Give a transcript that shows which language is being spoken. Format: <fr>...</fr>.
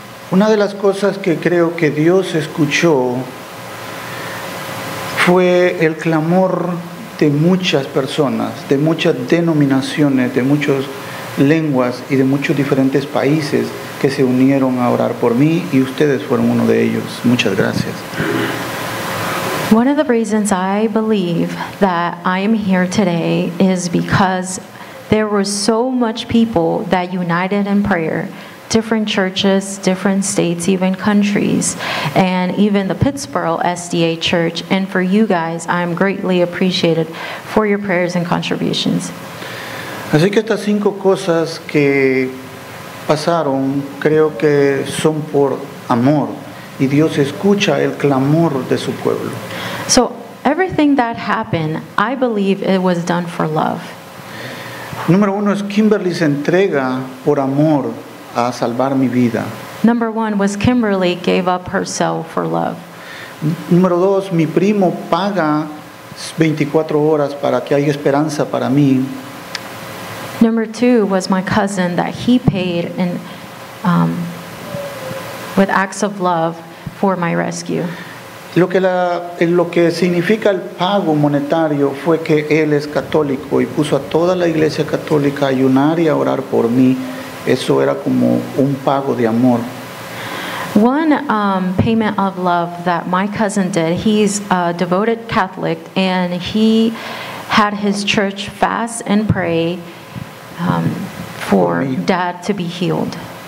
<es>Una de las cosas que creo que Dios escuchó fue el clamor de muchas personas, de muchas denominaciones, de muchos lenguas y de muchos diferentes países que se unieron a orar por mí, y ustedes fueron uno de ellos. Muchas gracias.</es> <en>One of the reasons I believe that I am here today is because there were so much people that united in prayer, different churches, different states, even countries, and even the Pittsburgh SDA Church. And for you guys, I'm greatly appreciated for your prayers and contributions.</en> <es>Así que estas cinco cosas que pasaron, creo que son por amor, y Dios escucha el clamor de su pueblo.</es> <en>So everything that happened, I believe it was done for love.</en> <es>Número uno es Kimberly se entrega por amor a salvar mi vida.</es> <en>Number one was Kimberly gave up herself for love.</en> <es>Número dos, mi primo paga 24 horas para que haya esperanza para mí.</es> <en>Number two was my cousin that he paid in, with acts of love for my rescue.</en> <es>Lo que significa el pago monetario fue que él es católico y puso a toda la iglesia católica a ayunar y a orar por mí. Eso era como un pago de amor.</es> <en>One payment of love that my cousin did, he's a devoted Catholic, and he had his church fast and pray for dad to be healed.</en>